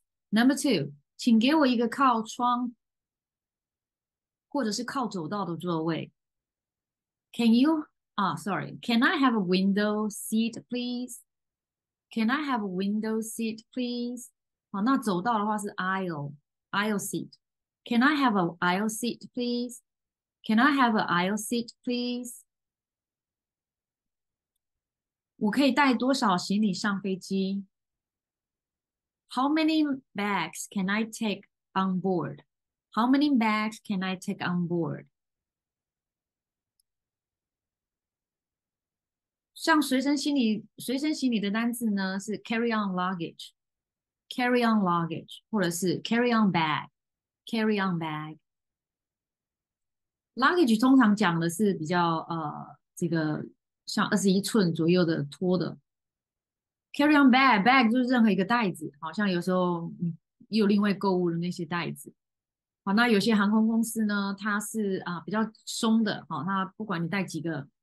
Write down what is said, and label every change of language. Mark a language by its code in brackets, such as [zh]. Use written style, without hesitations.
[en] Number two， [zh] 请给我一个靠窗或者是靠走道的座位。 [en] Can you？ 啊，sorry. Can I have a window seat, please? Can I have a window seat, please? [zh] 好，那走道的话是 [en] aisle seat. Can I have a aisle seat, please? Can I have a aisle seat, please? [zh] 我可以带多少行李上飞机？ [en] How many bags can I take on board? How many bags can I take on board? [zh] 像随身行李的单字呢，是 [en] carry on luggage， [zh] carry on luggage，或者是 [en] carry on bag， [zh] carry on bag。 luggage 通常讲的是比较这个像21寸左右的托的， [en] carry on bag [zh] 就是任何一个袋子，好像有时候又另外购物的那些袋子。好，那有些航空公司呢，它是比较松的，好，它不管你带几个。